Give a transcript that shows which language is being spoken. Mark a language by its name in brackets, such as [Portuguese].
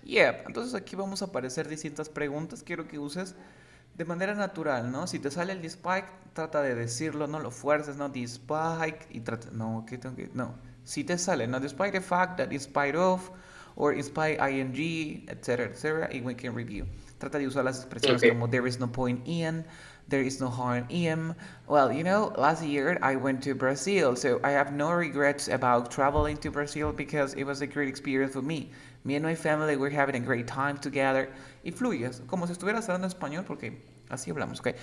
[Spanish] Yeah, entonces aquí vamos a aparecer distintas preguntas. Quiero que uses de manera natural, ¿no? Si te sale el despite, trata de decirlo, no lo fuerces, ¿no? Despite, y trata, no, ¿qué tengo que...? No, si te sale, ¿no? [English] Despite the fact that in spite of, or in spite ing, etc., etc., and we can review. [Spanish] Trata de usar las expresiones okay. como [English] there is no point in, there is no harm in. Well, you know, last year I went to Brazil, so I have no regrets about traveling to Brazil because it was a great experience for me. Me and my family were having a great time together. [Spanish] Y fluyes, como si estuvieras hablando español, porque así hablamos, okay?